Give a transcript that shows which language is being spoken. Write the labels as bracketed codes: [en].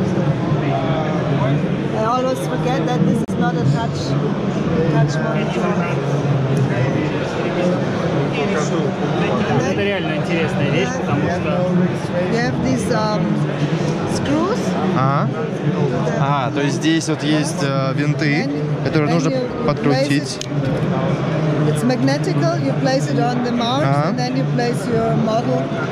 [en] I always forget that this is not a touch monitor. [ru] Это реально интересная вещь, потому что... [en] We have these screws. [ru] То есть здесь вот есть винты, которые нужно подкрутить. [en] It's magnetical, you place it on the mark, and then you place your model.